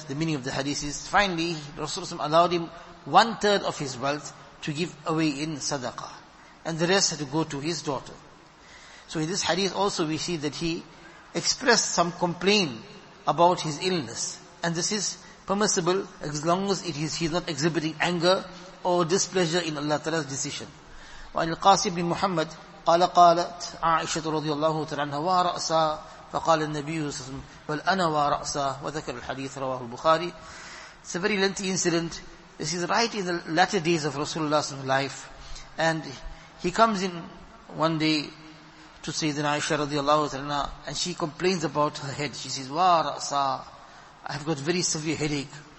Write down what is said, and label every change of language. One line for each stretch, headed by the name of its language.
English: The meaning of the hadith is, finally, Rasulullah allowed him one third of his wealth to give away in sadaqah. And the rest had to go to his daughter. So in this hadith also we see that he expressed some complaint about his illness. And this is permissible as long as it is, he is not exhibiting anger or displeasure in Allah Ta'ala's decision.
Arabic: وَعَنِ الْقَاسِ بْنِ Muhammad. قال قالت عائشة رضي الله تعالى عنها ورأسا فقال النبي صلى الله عليه وسلم بل أنا ورأسا وذكر الحديث رواه البخاري.
English: It's a very lengthy incident. This is right in the latter days of Rasulullah's life, and he comes in one day to Sayyidina Aisha radiallahu ta'ala, and she complains about her head. She says, "Wa ra'sa, I have got very severe headache."